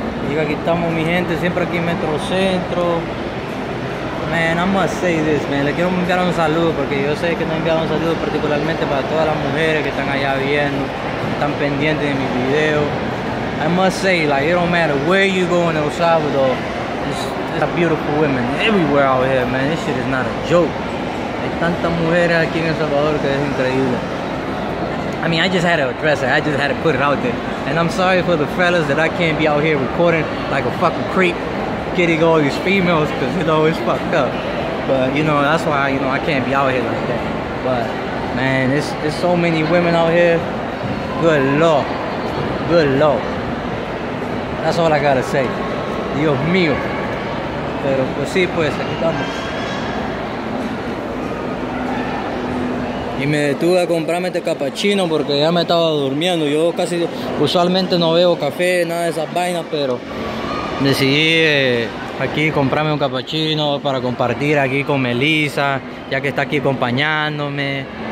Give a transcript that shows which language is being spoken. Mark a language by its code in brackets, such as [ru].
[es] Y aquí estamos, mi gente, siempre aquí en Metro Centro. [en] Man, I must say this, man. [es] Le quiero enviar un saludo porque yo sé que no he enviado un saludo particularmente para todas las mujeres que están allá viendo, que están pendientes de mi video. [en] I must say, like, it don't matter where you go in El Salvador, there's beautiful women everywhere out here, man. This shit is not a joke. [es] Hay tantas mujeres aquí en El Salvador que es increíble. [en] I mean, I just had to address it. I just had to put it out there. And I'm sorry for the fellas that I can't be out here recording like a fucking creep, getting all these females, because you know it's fucked up. But you know, that's why, you know, I can't be out here like that. But man, there's so many women out here. Good lord. Good lord. That's all I gotta say. [es] Dios mío. Pero pues sí, pues aquí estamos. Y me detuve a comprarme este capuchino porque ya me estaba durmiendo. Yo casi usualmente no bebo café, nada de esas vainas, pero decidí aquí comprarme un capuchino para compartir aquí con Melissa, ya que está aquí acompañándome.